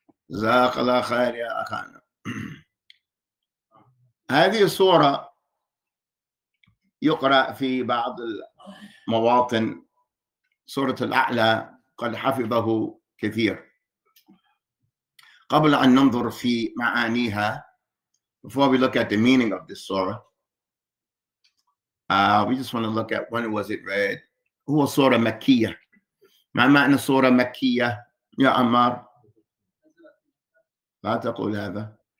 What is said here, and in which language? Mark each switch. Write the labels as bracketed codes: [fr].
[ar] جزاك الله خير يا أخانا. هذه الصورة يقرأ في بعض المواطن سورة الأعلى قد حفظه كثير. قبل أن ننظر في معانيها, [en] before we look at the meaning of this surah, we just want to look at when was it read. [ar] هو سورة مكية. ما معنى سورة مكية يا عمار؟ لا تقول هذا.